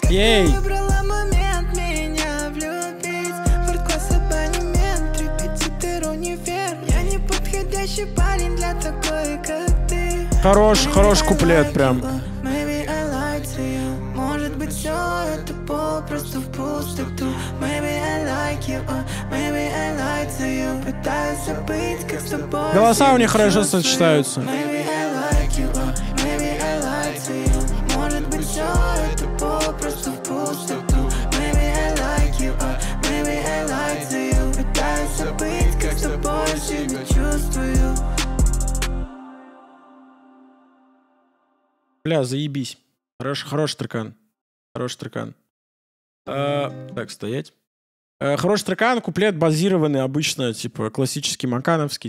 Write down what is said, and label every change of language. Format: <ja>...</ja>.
<ru>Как я выбрала момент меня влюбить. Форт-класс, абонемент, репетитор, универ. Я не подходящий парень для такой, как. Хорош куплет прям.</ru> <en>Maybe I lied to you.</en> <ru>Может быть, все это попросту в пустоту.</ru> <en>Maybe I like you, maybe I lied to you.</en> <ru>Пытаюсь забыть, как с тобой. Голоса у них хорошо сочетаются.</ru> <en>Maybe I like you, maybe I lied to you.</en> <ru>Может быть, все это попросту в пустоту.</ru> <en>Maybe I like you, maybe I lied to you.</en> <ru>Пытаюсь забыть, как с тобой себя чувствую. Бля, заебись. Хороший трекан. Так, стоять. Хороший трекан, куплет базированный обычно, типа, классический макановский.</ru>